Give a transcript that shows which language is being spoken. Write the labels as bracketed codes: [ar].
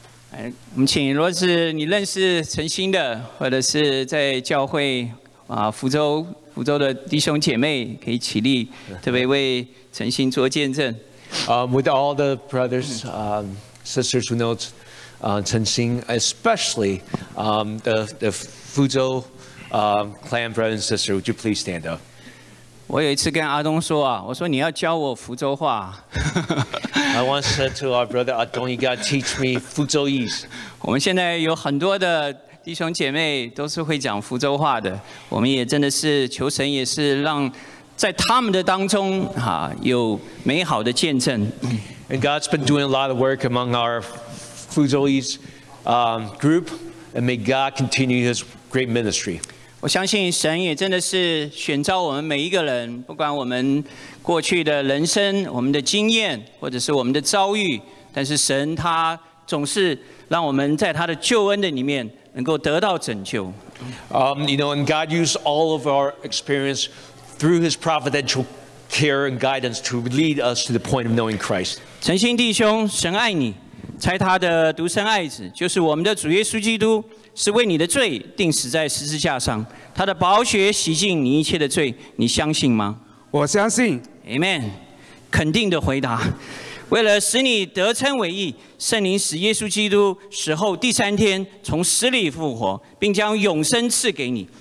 [zh] 哎，我们请，如果是你认识陈兴的，或者是在教会啊，福州的弟兄姐妹，可以起立，特别为陈兴做见证。 [en] With all the brothers, sisters who know. 陈兴 especially the Fuzhou clan brother and sister, would you please stand up? [zh] 我有一次跟阿东说啊，我说你要教我福州话。 [en] I once said to our brother Adong, you got to teach me Fuzhouese. [zh] 我们现在有很多的弟兄姐妹都是会讲福州话的，我们也真的是求神也是让在他们的当中哈有美好的见证。 [en] And God's been doing a lot of work among our. Fuzhouese group, and may God continue His great ministry. [zh] 我相信神也真的是选召我们每一个人，不管我们过去的人生、我们的经验，或者是我们的遭遇，但是神他总是让我们在他的救恩的里面能够得到拯救。 [en] You know, and God used all of our experience through His providential care and guidance to lead us to the point of knowing Christ. [zh] 陈兴弟兄，神爱你。猜他的独生爱子就是我们的主耶稣基督是为你的罪钉死在十字架上，他的宝血洗净你一切的罪，你相信吗？我相信。 Amen， 肯定的回答。为了使你得称为义，圣灵使耶稣基督死后第三天从死里复活，并将永生赐给你。